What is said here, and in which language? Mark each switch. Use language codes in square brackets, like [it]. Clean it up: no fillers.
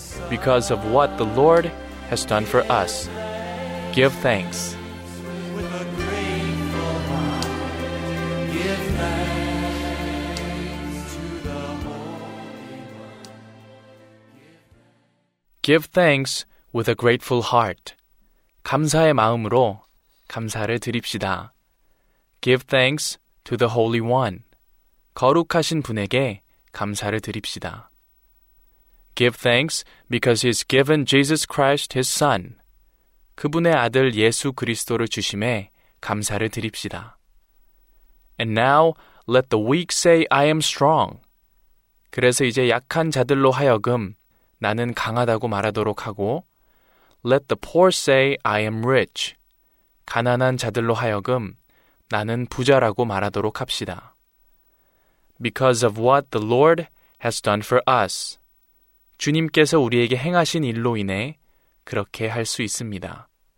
[en] Because of what the Lord has done for us. Give thanks. With a grateful heart, give thanks to the Holy One. Give thanks. Give thanks with a grateful heart. [ko] 감사의 마음으로 감사를 드립시다. [en] Give thanks to the Holy One. [ko] 거룩하신 분에게 감사를 드립시다. [en] Give thanks because He has given Jesus Christ His Son. [ko] 그분의 아들 예수 그리스도를 주심에 감사를 드립시다. [en] And now let the weak say, I am strong. [ko] 그래서 이제 약한 자들로 하여금 나는 강하다고 말하도록 하고, [en] Let the poor say, I am rich. [ko] 가난한 자들로 하여금 나는 부자라고 말하도록 합시다. [en] Because of what the Lord has done for us. [ko] 주님께서 우리에게 행하신 일로 인해 그렇게 할 수 있습니다.